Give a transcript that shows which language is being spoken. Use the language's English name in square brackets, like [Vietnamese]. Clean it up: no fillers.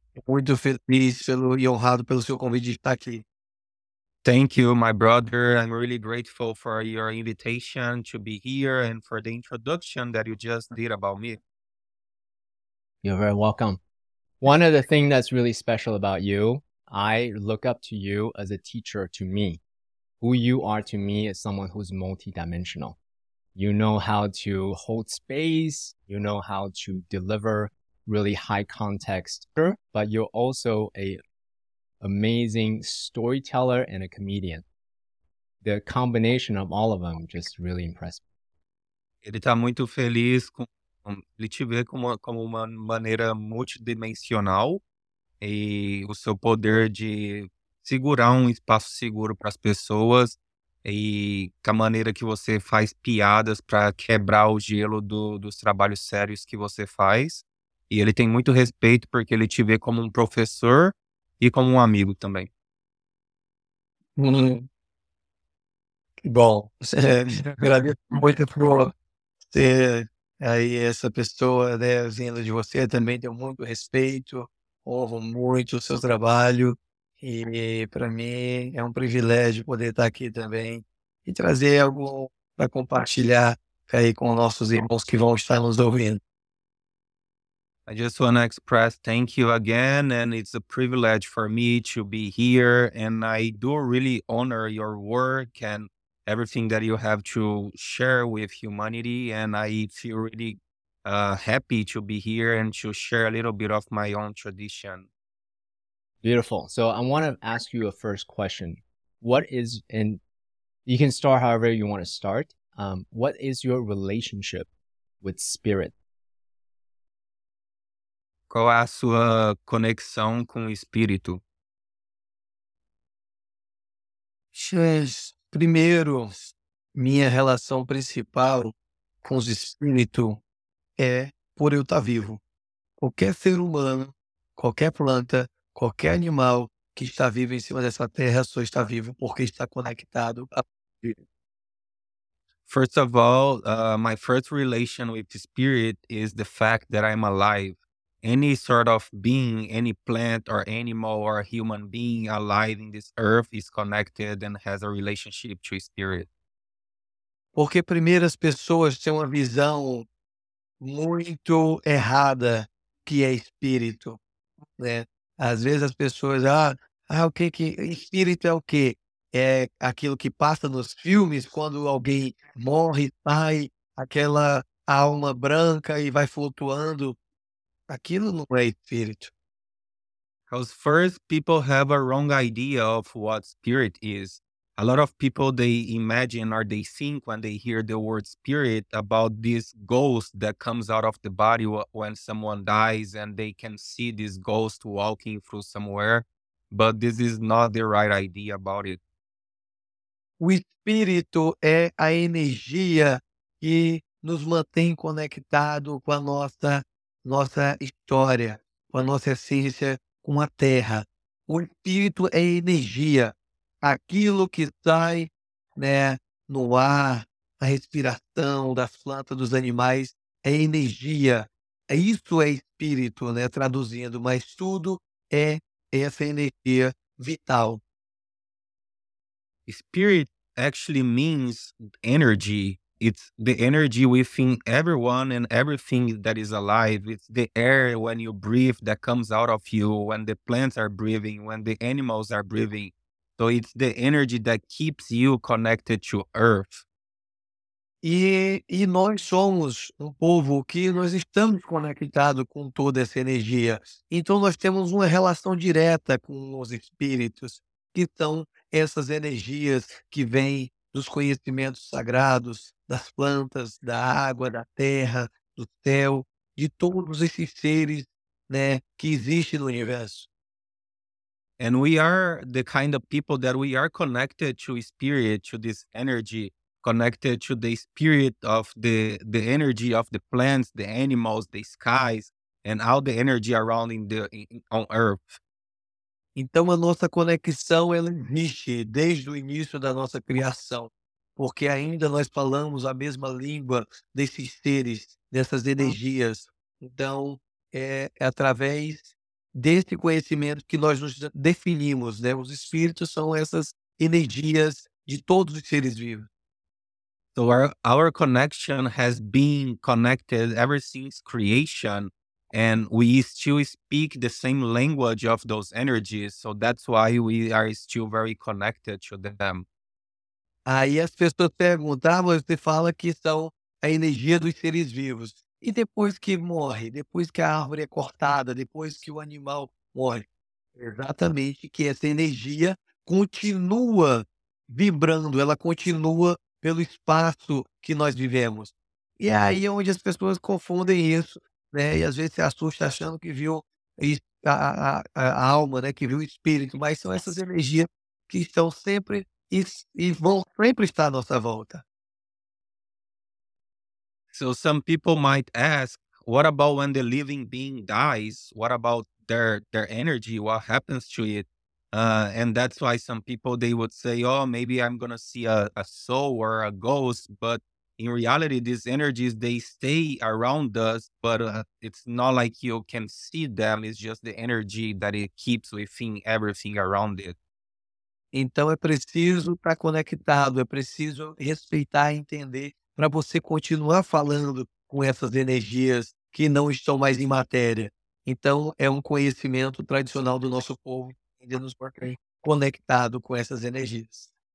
[Portuguese] Muito feliz e honrado pelo seu convite de estar aqui. [English] Thank you, my brother. I'm really grateful for your invitation to be here and for the introduction that you just did about me. You're very welcome. One of the things that's really special about you, I look up to you as a teacher to me. Who you are to me is someone who's multidimensional. You know how to hold space. You know how to deliver really high context. But you're also an amazing storyteller and a comedian. The combination of all of them just really impressed me. [Portuguese] Ele está muito feliz com... Ele te vê como uma maneira multidimensional e o seu poder de segurar um espaço seguro para as pessoas e com a maneira que você faz piadas para quebrar o gelo dos trabalhos sérios que você faz. E ele tem muito respeito porque ele te vê como um professor e como um amigo também. Bom, agradeço muito por você. Aí essa pessoa, né, vindo de você, também tem muito respeito, honro muito o seu trabalho e para mim é um privilégio poder estar aqui também e trazer algo para compartilhar aí com nossos irmãos que vão estar nos ouvindo. [English] I just want to express thank you again, and it's a privilege for me to be here, and I do really honor your work and everything that you have to share with humanity, and I feel really happy to be here and to share a little bit of my own tradition. Beautiful. So I want to ask you a first question. What is, and you can start however you want to start, what is your relationship with spirit? [Portuguese] Qual a sua conexão com o espírito? [English] Yes. [Portuguese] Primeiro, minha relação principal com os espíritos é por eu estar vivo. Qualquer ser humano, qualquer planta, qualquer animal que está vivo em cima dessa terra só está vivo porque está conectado a vida. [English] First of all, my first relation with the spirit is the fact that I'm alive. Any sort of being, any plant or animal or human being alive in this earth is connected and has a relationship to spirit. [Portuguese] Porque primeiro as pessoas têm uma visão muito errada que é espírito, né? Às vezes as pessoas, o que que espírito é o quê? É aquilo que passa nos filmes quando alguém morre, sai aquela alma branca e vai flutuando. Aquilo não é espírito. [English] Because first, people have a wrong idea of what spirit is. A lot of people, they imagine or they think when they hear the word spirit about this ghost that comes out of the body when someone dies and they can see this ghost walking through somewhere. But this is not the right idea about it. [Portuguese] O espírito é a energia que nos mantém conectado com a nossa história, com a nossa essência, com a terra. O espírito é energia, aquilo que sai, né, no ar, na respiração das plantas, dos animais, é energia. Isso é espírito, né, traduzindo, mas tudo é essa energia vital. [English] Spirit actually means energy. It's the energy within everyone and everything that is alive. It's the air when you breathe that comes out of you, when the plants are breathing, when the animals are breathing. So it's the energy that keeps you connected to Earth. [Portuguese] E nós somos um povo que nós estamos conectados com toda essa energia. Então nós temos uma relação direta com os espíritos, que são essas energias que vêm dos conhecimentos sagrados, das plantas, da água, da terra, do céu, de todos esses seres, né, que existem no universo. [English] And we are the kind of people that we are connected to spirit, to this energy, connected to the spirit of the energy of the plants, the animals, the skies, and all the energy around on Earth. [Portuguese] Então a nossa conexão ela existe desde o início da nossa criação, porque ainda nós falamos a mesma língua desses seres, dessas energias. Então é através desse conhecimento que nós nos definimos, né? Os espíritos são essas energias de todos os seres vivos. [English] So our connection has been connected ever since creation. And we still speak the same language of those energies. So that's why we are still very connected to them. [Portuguese] Aí as pessoas perguntam, ah, você fala que são a energia dos seres vivos. E depois que morre, depois que a árvore é cortada, depois que o animal morre? Exatamente, que essa energia continua vibrando, ela continua pelo espaço que nós vivemos. E é aí onde as pessoas confundem isso. Né? E às vezes se assusta achando que viu a alma, né? Que viu o espírito, mas são essas energias que estão sempre e vão sempre estar à nossa volta. [English] So some people might ask, what about when the living being dies? What about their energy? What happens to it? And that's why some people, they would say, oh, maybe I'm going to see a soul or a ghost, but in reality, these energies, they stay around us, but it's not like you can see them. It's just the energy that it keeps within everything around it. [Portuguese] Então, é preciso estar conectado. É preciso respeitar e entender para você continuar falando com essas energias que não estão mais em matéria. Então, é conhecimento tradicional do nosso povo ainda nos mantém conectado com essas energias.